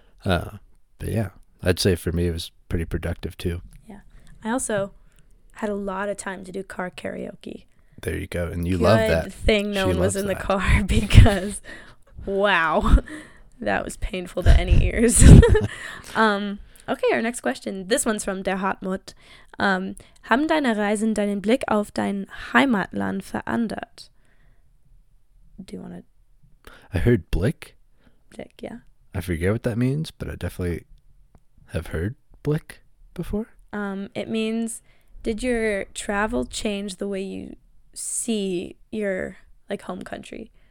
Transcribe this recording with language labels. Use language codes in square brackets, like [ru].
[en] But yeah, I'd say for me it was pretty productive too. Yeah. I also had a lot of time to do car karaoke. There you go. And you love that. Good thing no one was in the car because, wow, that was painful to any ears. Okay, our next question. This one's from der Hartmut. [de] Haben deine Reisen deinen Blick auf dein Heimatland verändert? [en] Do you want to? I heard Blick. Blick, yeah. I forget what that means, but I definitely have heard Blick before. It means, did your travel change the way you see your like home country?